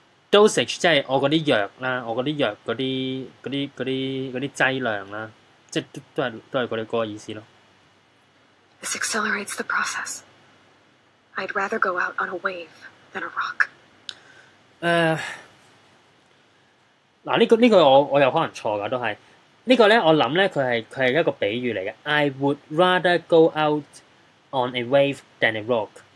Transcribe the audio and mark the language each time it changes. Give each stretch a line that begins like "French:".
Cantonese: Dosage 即係我嗰啲藥啦，我嗰啲藥嗰啲劑量啦，即係都係嗰啲嗰個意思咯。
English: This accelerates the process. I'd rather go out on a wave than a rock.
Cantonese: 嗱呢個我有可能錯噶，都係呢個咧，我諗咧佢係一個比喻嚟嘅。
English: I would rather go out on a wave than a rock.